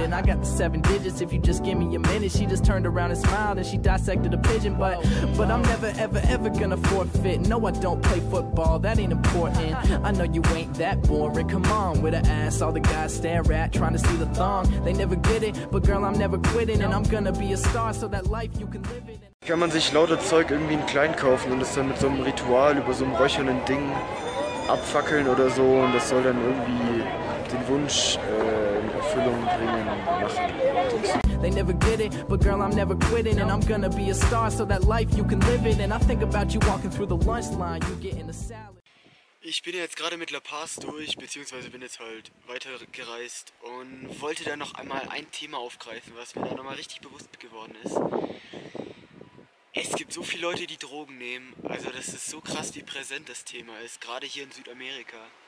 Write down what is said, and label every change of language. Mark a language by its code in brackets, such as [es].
[en] And I got the 7 digits if you just give me a minute. She just turned around and smiled, and she dissected a pigeon. But I'm never, ever, ever gonna forfeit. No, I don't play football, that ain't important. I know you ain't that boring. Come on, with her ass, all the guys stare at, trying to see the thong. They never get it, but girl, I'm never quitting and I'm gonna be a star, so that life you can live in. [de] Kann man sich lauter Zeug irgendwie in klein kaufen und es dann mit so einem Ritual über so einem röchernen Ding abfackeln oder so, und das soll dann irgendwie den Wunsch in Erfüllung bringen machen. [en] They never get it, but girl, I'm never quitting and I'm gonna be a star, so that life you can live in. And I think about you walking through the lunch line, you getting a salad. [de] Ich bin jetzt gerade mit La Paz durch, beziehungsweise bin jetzt halt weitergereist und wollte da noch einmal ein Thema aufgreifen, was mir da nochmal richtig bewusst geworden ist. Es gibt so viele Leute, die Drogen nehmen, also das ist so krass, wie präsent das Thema ist, gerade hier in Südamerika.